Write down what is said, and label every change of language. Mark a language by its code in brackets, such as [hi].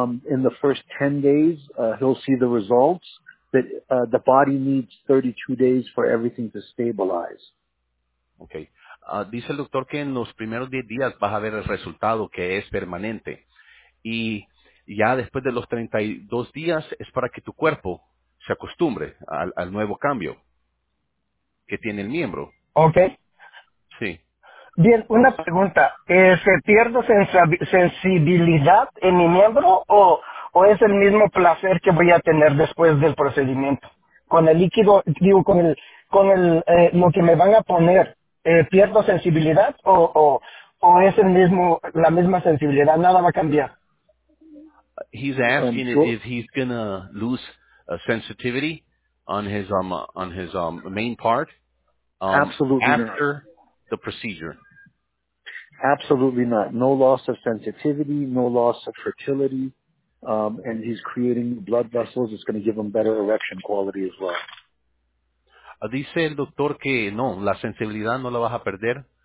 [en] In the first 10 days, he'll see the results, but the body needs 32 days for everything to stabilize. Okay. [es] Dice el doctor que en los primeros 10 días vas a ver el resultado, que es permanente. Y ya después de los 32 días es para que tu cuerpo se acostumbre al nuevo cambio que tiene el miembro. Okay. Sí. Bien, una pregunta. ¿Se pierdo sensibilidad en mi miembro o es el mismo placer que voy a tener después del procedimiento? Con el líquido, lo que me van a poner, ¿pierdo sensibilidad o es el mismo, la misma sensibilidad? ¿Nada va a cambiar? [en] He's asking if he's going to lose sensitivity on his main part. Absolutely. After the procedure. Absolutely not. No loss of sensitivity, no loss of fertility, and he's creating blood vessels. It's going to give him better erection quality as well. [es] Dice el doctor que no, la sensibilidad no la vas a perder.